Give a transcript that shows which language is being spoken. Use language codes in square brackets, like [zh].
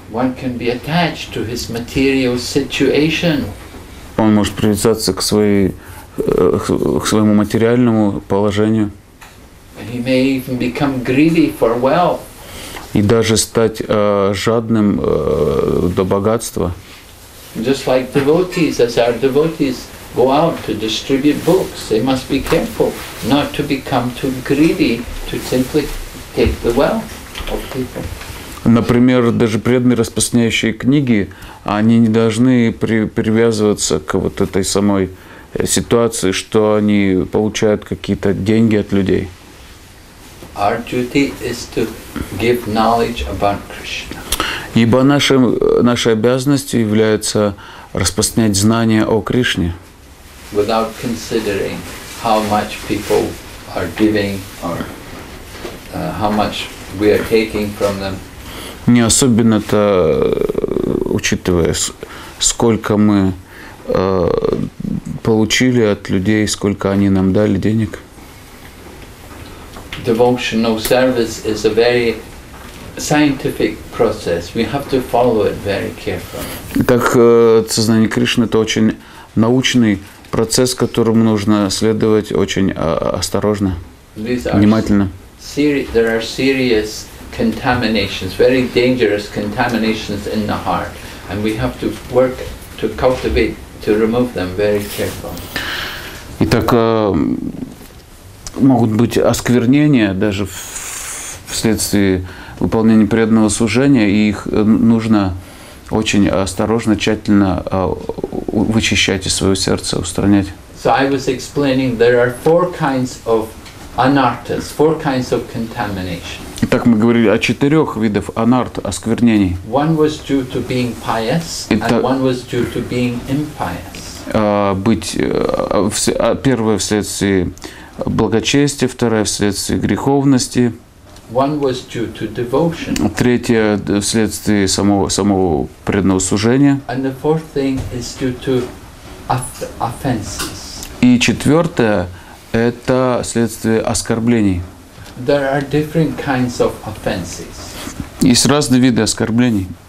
[en] One can be attached to his material situation. [ru] Он может привязаться к своей, к своему материальному положению. [en] He may even become greedy for wealth. [ru] И даже стать жадным до богатства. [en] Just like devotees, as our devotees go out to distribute books, they must be careful not to become too greedy to simply take the wealth of people. [ru] Например, даже преданные распространяющие книги, они не должны привязываться к вот этой самой ситуации, что они получают какие-то деньги от людей. [en] Our duty is to give knowledge about Krishna. [ru] Ибо нашей обязанностью является распространять знания о Кришне. [en] Without considering how much people are giving or how much we are taking from them. [ru] Не особенно-то учитывая, сколько мы получили от людей, сколько они нам дали денег. [en] Devotional service is a very scientific process. We have to follow it very carefully. [ru] Так сознание Кришны – это очень научный процесс, которому нужно следовать очень осторожно, внимательно. [en] There are serious contaminations, very dangerous contaminations in the heart, and we have to work to cultivate to remove them very carefully. [ru] Итак, могут быть осквернения даже вследствие выполнения преданного служения, и их нужно очень осторожно, тщательно вычищать из своего сердца, устранять. [en] So I was explaining there are four kinds of anarthas, four kinds of contamination. [ru] Так мы говорили о четырех видах анарт, осквернений. [en] One was due to being pious, and one was due to being impious. [ru] Первое вследствие благочестия, второе вследствие греховности. [en] One was due to devotion. [ru] Третье вследствие самого преданного служения. [en] And the fourth thing is due to offenses. [ru] И четвертое – это следствие оскорблений. [en] There are different kinds of offenses. [ru] Есть разные виды оскорблений.